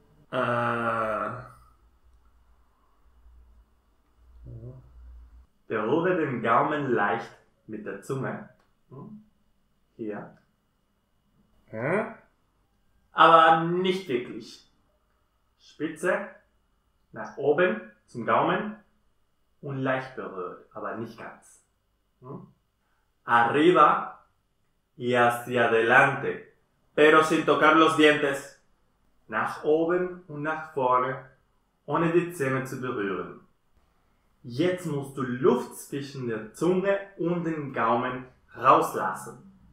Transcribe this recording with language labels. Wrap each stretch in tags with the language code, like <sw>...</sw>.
<de>Berühre den Gaumen leicht mit der Zunge. Hier. Aber nicht wirklich. Spitze. Nach oben, zum Gaumen und leicht berührt, aber nicht ganz.</de> <es>Arriba y hacia adelante, pero sin tocar los dientes.</es> <de>Nach oben und nach vorne, ohne die Zähne zu berühren. Jetzt musst du Luft zwischen der Zunge und dem Gaumen rauslassen.</de>